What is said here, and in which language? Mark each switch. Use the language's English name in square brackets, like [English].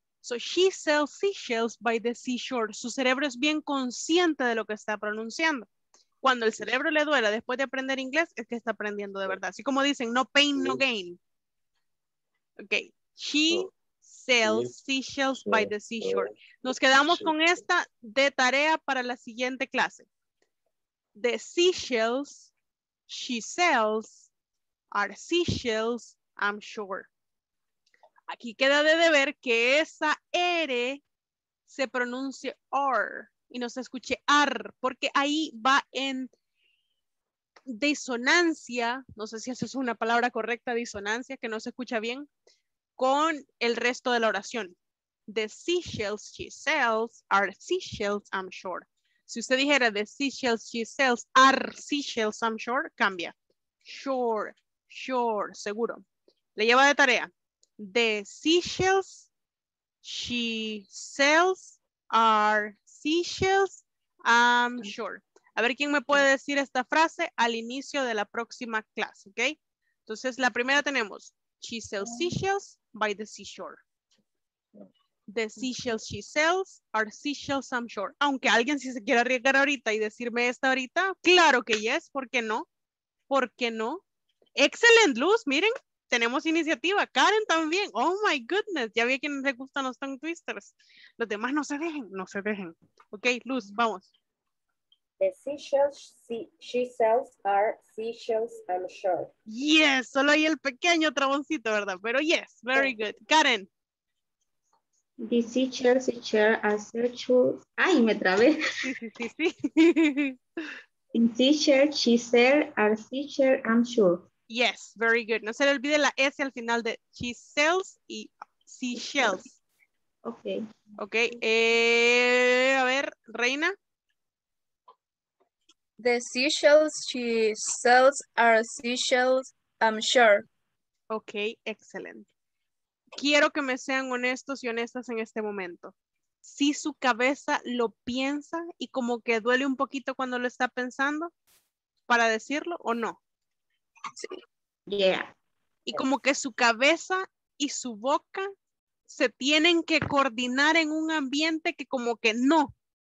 [English] So, she sells seashells by the seashore. [Spanish] Su cerebro es bien consciente de lo que está pronunciando. Cuando el cerebro le duela después de aprender inglés, es que está aprendiendo de verdad. Así como dicen, [English] no pain, no gain. [Spanish] Ok. [English] She sells seashells by the seashore. [Spanish] Nos quedamos con esta de tarea para la siguiente clase. [English] The seashells she sells are seashells, I'm sure. [Spanish] Aquí queda de deber que esa R se pronuncie R. Y no se escuche ar, porque ahí va en disonancia, no sé si esa es una palabra correcta, disonancia, que no se escucha bien, con el resto de la oración. [English] The seashells she sells are seashells, I'm sure. [Spanish] Si usted dijera [English] the seashells she sells are seashells, I'm sure, cambia. Sure, sure, [Spanish] seguro. Le lleva de tarea. [English] The seashells she sells are seashells, I'm sure. [Spanish] A ver quién me puede decir esta frase al inicio de la próxima clase, ¿ok? Entonces, la primera tenemos, [English] she sells seashells by the seashore. The seashells she sells are seashells, I'm sure. [Spanish] Aunque alguien si se quiere arriesgar ahorita y decirme esta ahorita, claro que yes, ¿por qué no? ¿Por qué no? Excellent, Luz, miren, tenemos iniciativa. Karen también. [English] Oh my goodness. [Spanish] Ya vi a quienes les gustan los tongue twisters. Los demás no se dejen, no se dejen. Ok, Luz, vamos. [English] The seashells she sells are seashells, I'm sure. [Spanish] Yes, solo hay el pequeño traboncito, ¿verdad? Pero yes, [English] very good. [Spanish] Karen. [English] The seashells she sells are seashells. [Spanish] Ay, me trabé. Sí. [English] The seashells she sells are seashells, I'm sure. Yes, very good. [Spanish] No se le olvide la S al final de she sells y seashells. [English] Ok. [Spanish] Ok. A ver, Reina. [English] The seashells she sells are seashells, I'm sure. [Spanish] Ok, excelente. Quiero que me sean honestos y honestas en este momento. sí su cabeza lo piensa y como que duele un poquito cuando lo está pensando para decirlo o no? Sí. Yeah. Y como que su cabeza y su boca se tienen que coordinar en un ambiente que como que no.